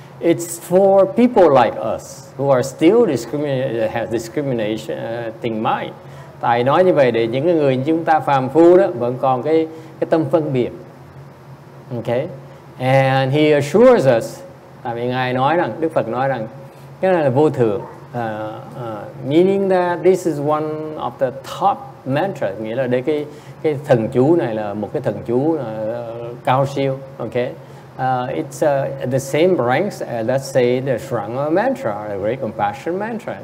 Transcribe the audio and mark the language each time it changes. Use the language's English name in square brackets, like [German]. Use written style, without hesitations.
[English] It's for people like us who are still discriminating mind. [Vietnamese] Tại nói như vậy để những người chúng ta phàm phu đó vẫn còn cái tâm phân biệt. Okay. [English] And he assures us, [Vietnamese] tại vì Ngài nói rằng, Đức Phật nói rằng, cái này là vô thường. [English] Meaning that this is one of the top mantra, [Vietnamese] nghĩa là đây cái thần chú này là một cái thần chú cao siêu. [English] Okay. It's at the same ranks as, let's say, the Sharanga mantra, the great compassion mantra.